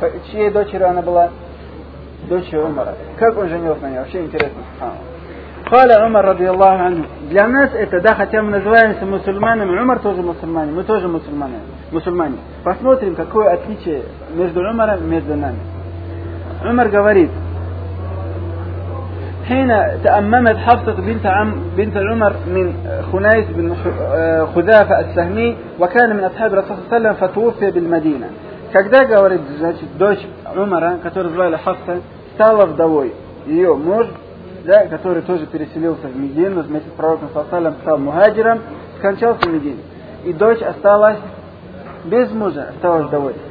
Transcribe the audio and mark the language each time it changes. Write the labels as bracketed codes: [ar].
[ru] Чьей дочерью она была? Дочерью Умара. Как он женился на ней? Вообще интересно. [ar] قال عمر رضي الله عنه [ru] для нас это, да, хотя мы называемся мусульманами, Умар тоже мусульманин, мы тоже мусульмане, мусульмане. Посмотрим, какое отличие между Умаром и между нами. Умар говорит, [ar] حين تأممت حفصة بنت عمر من خنيس بن خذافة السهمي وكان من أصحاب رسول الله صلى الله عليه وسلم فتوفي بالمدينة. [ru] Когда говорит, значит, дочь Умара, которую звали Хафса, стала вдовой. Ее муж, да, который тоже переселился в Медину вместе с пророком Фасалем, стал мухаджиром, скончался в Медине. И дочь осталась без мужа, осталась вдовой.